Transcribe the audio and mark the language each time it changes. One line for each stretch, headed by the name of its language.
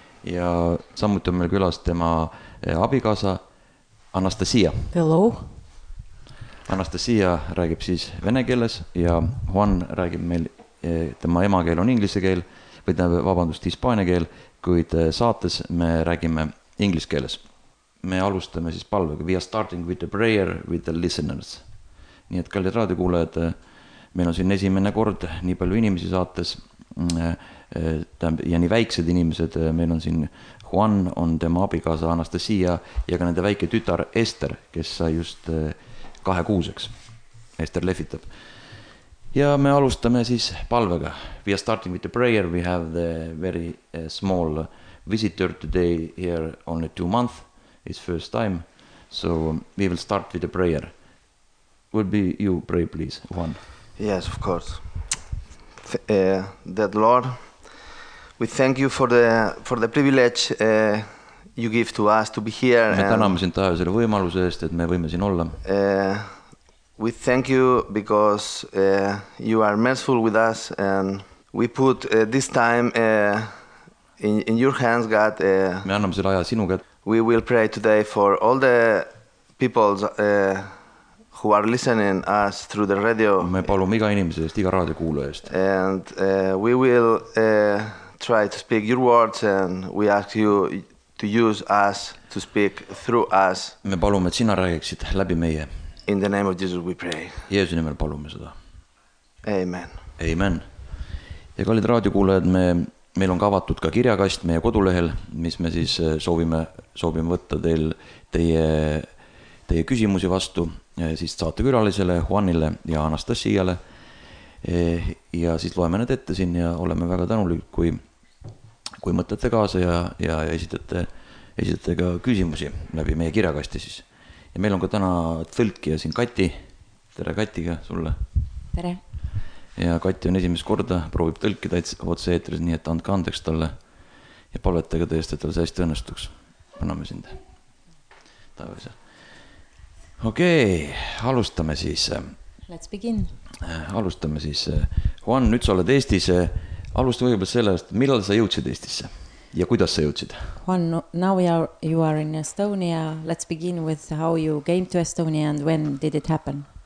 Estonian: Ja samuti on meil külas tema abikaasa. Anastasia.
English: Hello.
Estonian: Anastasia räägib siis vene keeles ja Juan räägib meil, tema emakeel on inglise keel, või ta vabandust hispaania keel, kuid saates me räägime inglise keeles. Me alustame siis palvega.
English: We are starting with the prayer with the listeners.
Estonian: Nii et kallid raadiokuulajad, meil on siin esimene kord nii palju inimesi saates ja nii väiksed inimesed meil on siin Juan on tema abikaasa Anastasia ja ka nende väike tütar Ester, kes sai just 2-kuuseks. Ester lehvitab. Ja me alustame siis palvega.
English: We are starting with the prayer. We have the very small visitor today here only 2 months. It's first time. So we will start with the prayer. Would be you pray please, Juan? Yes, of course. Dead Lord, we thank you for the privilege you give to us to be here.
Estonian: Me täname sind taevasele võimaluse eest, et me võime siin olla.
English: We thank you because you are merciful with us and we put this time in your hands, God.
Estonian: Me anname selle aja sinu kätte.
English: We will pray today for all the peoples who are listening us through the radio.
Estonian: Me palume iga inimese eest, iga raadiokuulaja eest.
English: And we will try to speak your words and we ask you to use us to speak through us.
Estonian: Me palume, et sina räägiksid läbi meie.
English: In the name of Jesus we pray.
Estonian: Jeesu nimel palume seda.
English: Amen. Amen.
Estonian: Ja kallid raadiokuulajad, meil on kavatud ka kirjakast meie kodulehel, mis me siis soovime võtta teie küsimusi vastu, siis saate külalisele Juanile ja Anastasiale. Ja siis loeme need ette siin ja oleme väga tänulikud, kui mõtlete kaasa ja esitate ka küsimusi läbi meie kirjakasti siis. Ja meil on ka täna tõlkija siin Kati. Tere Katiga sulle. Tere. Ja Kati on esimest korda, proovib tõlkida otse-eetris, nii et andke andeks talle ja palvetage teist, et talle see hästi õnnestuks. Paname sind. Taevase. Okei, alustame siis.
English: Let's begin.
Estonian: Alustame siis. Juan, nüüd sa oled Eestis. Alustame võibolla sellest, millal sa jõudsid Eestisse ja kuidas sa jõudsid?
English: Juan, now you are in Estonia. Let's begin with how you came to Estonia and when did it happen?